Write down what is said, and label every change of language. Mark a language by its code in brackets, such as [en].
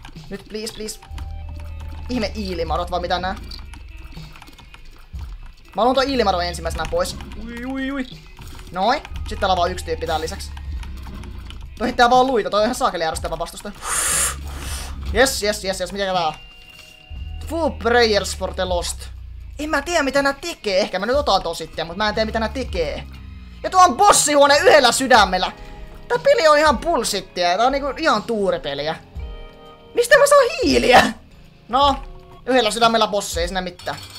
[fi] Nyt [en] please, please. [fi] Ihme iilimadot vai mitä nää? Mä haluan ton iilimadon ensimmäisenä pois. Ui. Noi. Sitten täällä on vaan yksi tyyppi tää lisäksi. Toi heittää vaan luita, toi on ihan saakeli järjestelmä vastusta. Yes, mitä tää on? [en] Two prayers for the lost. [fi] En mä tiedä mitä nää tekee, ehkä mä nyt otan ton sitten, mut mä en tiedä mitä nää tekee. Ja tuo on bossihuone yhdellä sydämellä. Tää peli on ihan bullshittia, tää on niinku ihan tuuripeliä. Mistä mä saan hiiliä? No, yhdellä sydämellä bossi, ei sinä mitään.